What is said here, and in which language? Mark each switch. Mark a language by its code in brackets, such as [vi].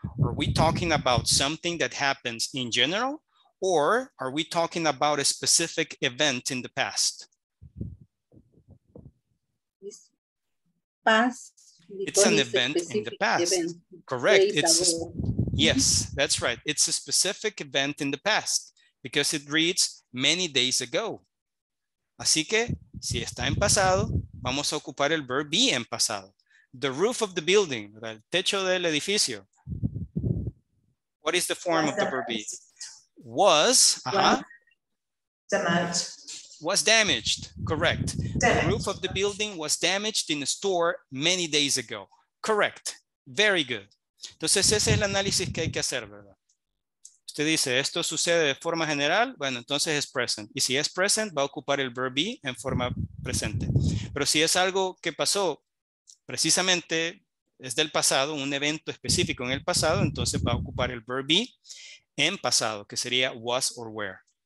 [en] Are we talking about something that happens in general? Or are we talking about a specific event in the past? Past, it's an event in the past. Correct. It's yes, that's right. It's a specific event in the past because it reads many days ago. [es] Así que si está en pasado, vamos a ocupar el verb be en pasado. [en] The roof of the building, [es] el techo del edificio. [en] What is the form of the verb be? Was, damaged. Was damaged, correct. Damaged. The roof of the building was damaged in a store many days ago. Correct, very good. [es] Entonces ese es el análisis que hay que hacer, ¿verdad? Usted dice, esto sucede de forma general, bueno, entonces es present. Y si es present, va a ocupar el verb be en forma presente. Pero si es algo que pasó, precisamente es del pasado, un evento específico en el pasado, entonces va a ocupar el verb be en pasado, que sería was or were.